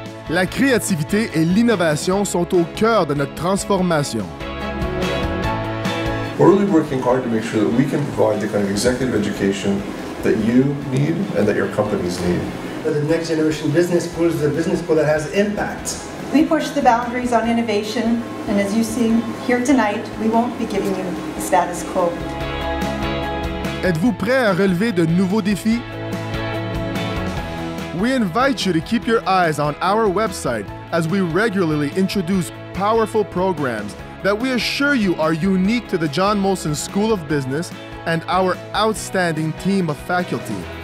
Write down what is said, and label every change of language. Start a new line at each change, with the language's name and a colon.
French: La créativité et l'innovation sont au cœur de notre transformation.
English: We're really working hard to make sure that we can provide the kind of executive education that you need and that your companies need. The Next Generation Business School is the business school that has impact. We push the boundaries on innovation, and as you see here tonight, we won't be giving you the status quo.
French: Êtes-vous prêt à relever de nouveaux défis?
English: We invite you to keep your eyes on our website as we regularly introduce powerful programs that we assure you are unique to the John-Molson School of Business and our outstanding team of faculty.